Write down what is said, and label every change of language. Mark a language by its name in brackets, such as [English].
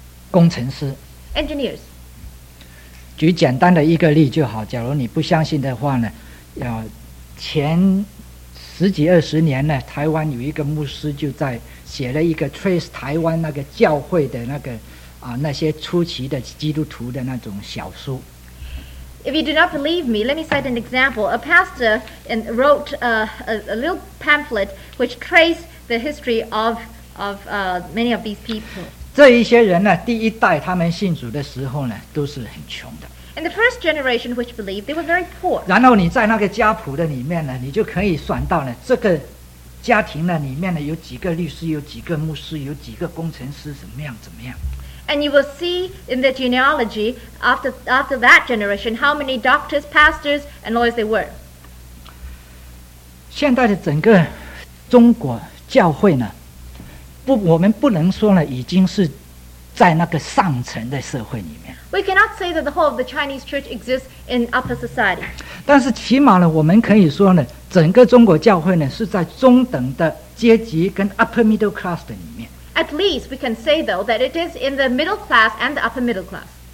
[Chinese] 工程师, [English] engineers. [Chinese] 举简单的一个例就好, 假如你不相信的话呢, 前十几二十年呢, 台湾有一个牧师就在写了一个Trace 台湾那个教会的那个 那些初期的基督徒的那种小书。 [English] If you do not believe me, let me cite an example. A pastor wrote a little pamphlet which traced the history of many of these people. [Chinese] 这一些人呢, 第一代他们信主的时候呢, 都是很穷的。 [English] In the first generation which believed, they were very poor. [Chinese] 然后你在那个家谱的里面呢, 你就可以算到呢, 这个家庭的里面呢, 有几个律师, 有几个牧师, 有几个工程师, 怎么样怎么样。 [English] And you will see in the genealogy after that generation how many doctors, pastors, and lawyers they were. [Chinese] 现在的整个中国教会呢, 不, 我们不能说呢, 已经是在那个上层的社会里面。 [English] We cannot say that the whole of the Chinese church exists in upper society. [Chinese] 但是起码呢, 我们可以说呢, 整个中国教会呢, 是在中等的阶级跟 [English] upper middle class [Chinese] 的里面。 [English] At least we can say, though, that it is in the middle class and the upper middle class.